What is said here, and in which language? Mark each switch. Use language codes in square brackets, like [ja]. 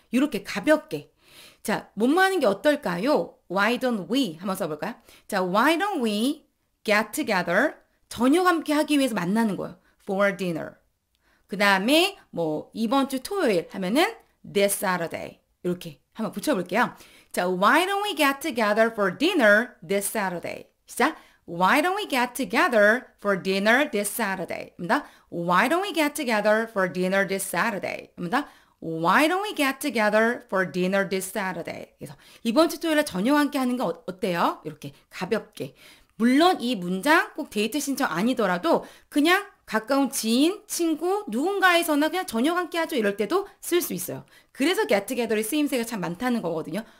[ko] 이렇게 가볍게. 자, 뭐뭐 하는 게 어떨까요? [en] Why don't we? [ko] 한번 써볼까요? [en] 자, why don't we get together? [ko] 저녁 함께 하기 위해서 만나는 거예요. [en] For dinner. [ko] 그 다음에 뭐 이번 주 토요일 하면은 this Saturday. 이렇게 한번 붙여볼게요. [en] 자, why don't we get together for dinner this Saturday? [ko] 시작. [en] Why don't we get together for dinner this Saturday? [ko] 입니다. [en] Why don't we get together for dinner this Saturday? [ko] 입니다. [en] Why don't we get together for dinner this Saturday? [ko] 그래서 이번 주 토요일에 저녁 함께 하는 거 어때요? 이렇게 가볍게. 물론 이 문장 꼭 데이트 신청 아니더라도 그냥 가까운 지인, 친구, 누군가에서나 그냥 저녁 함께 하죠 이럴 때도 쓸 수 있어요. 그래서 get together의 쓰임새가 참 많다는 거거든요.